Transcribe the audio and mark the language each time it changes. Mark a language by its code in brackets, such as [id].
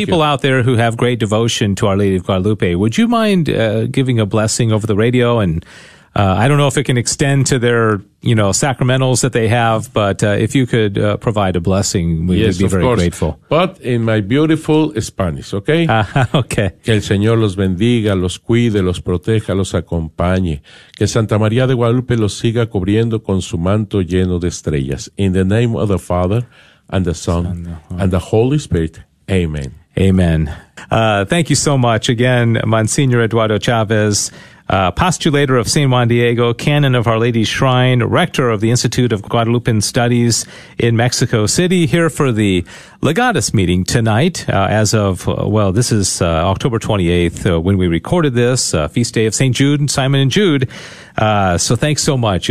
[en] people you. Out there who have great devotion to Our Lady of Guadalupe, would you mind giving a blessing over the radio and I don't know if it can extend to their, you know, sacramentals that they have, but if you could provide a blessing, we would be very grateful. But in my beautiful Spanish, okay? Okay. [es] Que el Señor los bendiga, los cuide, los proteja, los acompañe. Que Santa María de Guadalupe los siga cubriendo con su manto lleno de estrellas. [en] In the name of the Father, and the Son, and the Holy Spirit. Amen. Amen. Thank you so much again, Monsignor Eduardo Chavez, postulator of San Juan Diego, canon of Our Lady's Shrine, rector of the Institute of Guadalupan Studies in Mexico City, here for the Legatus meeting tonight, October 28th, when we recorded this, feast day of St. Jude and Simon and Jude. So thanks so much.